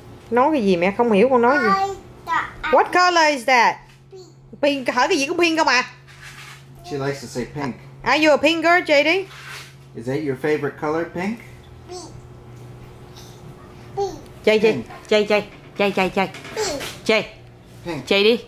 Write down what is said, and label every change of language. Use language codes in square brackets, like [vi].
[vi] Nói cái gì mẹ không hiểu con nói gì. [en] What color is that? Pink. [vi] Hỏi cái gì cũng pink không à. [en] She likes to say pink. Are you a pink girl, JD? Is that your favorite color, pink? [vi] Chơi chơi chơi chơi chơi chơi chơi chơi chơi đi.